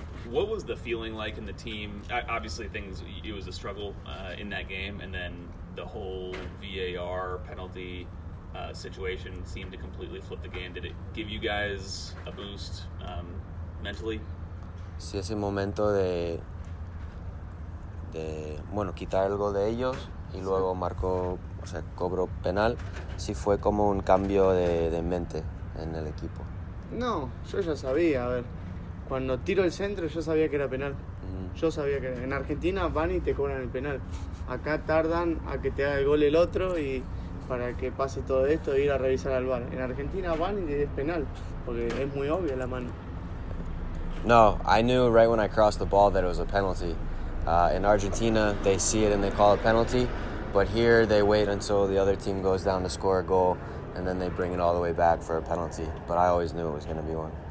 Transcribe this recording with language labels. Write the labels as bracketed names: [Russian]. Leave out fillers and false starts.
[English] What was the feeling like in the team? Obviously, it was a struggle in that game, and then the whole VAR penalty situation seemed to completely flip the game. Did it give you guys a boost mentally? [Spanish] Sí, ese momento de quitar el gol de ellos y luego marcó, o sea, cobró penal. Sí, fue como un cambio de mente en el equipo. No, yo ya sabía, a ver. Cuando tiro el centro, yo sabía que era penal. Mm-hmm. Yo sabía que en Argentina van y te cobran el penal. Acá tardan a que te haga el gol el otro y para que pase todo esto e ir a revisar al VAR. En Argentina van y te des penal, porque es muy obvio la mano. [English] No, I knew right when I crossed the ball that it was a penalty. In Argentina, they see it and they call it penalty. But here, they wait until the other team goes down to score a goal, and then they bring it all the way back for a penalty. But I always knew it was going to be one.